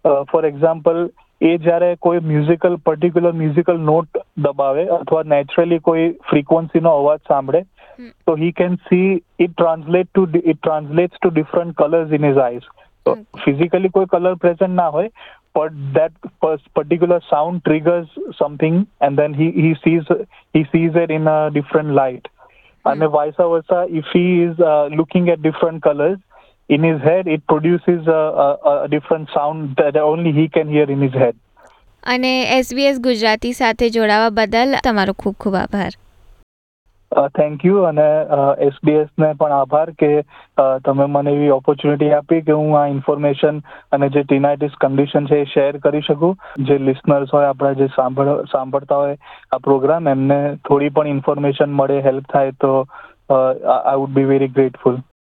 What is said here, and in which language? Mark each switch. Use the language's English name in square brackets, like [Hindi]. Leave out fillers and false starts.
[Gujarati] For example, એ જ્યારે કોઈ musical particular musical not દબાવે અથવા નેચરલી કોઈ ફ્રીક્વન્સીનો અવાજ સાંભળે તો [English] He can see it translates to different colours in his eyes. [Gujarati] તો ફિઝિકલી કોઈ કલર પ્રેઝન્ટ ના હોય, [English] But that particular sound triggers something and then he sees it in a different light. અને vice versa, if he is looking at different colours in his head, it produces a different sound that only he can hear in his head. [Gujarati] અને SBS Gujarati સાથે જોડાવા બદલ તમારો ખૂબ ખૂબ આભાર. [English] Thank you. [Gujarati] અને SBS ને પણ આભાર કે તમે મને એવી ઓપોર્ચ્યુનિટી આપી કે હું આ ઇન્ફોર્મેશન અને જે ટીનાઇટિસ કન્ડિશન છે એ શેર કરી શકું. જે લિસનર્સ હોય, આપણા જે સાંભળતા હોય આ પ્રોગ્રામ, એમને થોડી પણ ઇન્ફોર્મેશન મળે, હેલ્પ થાય, તો [English] I would be very grateful.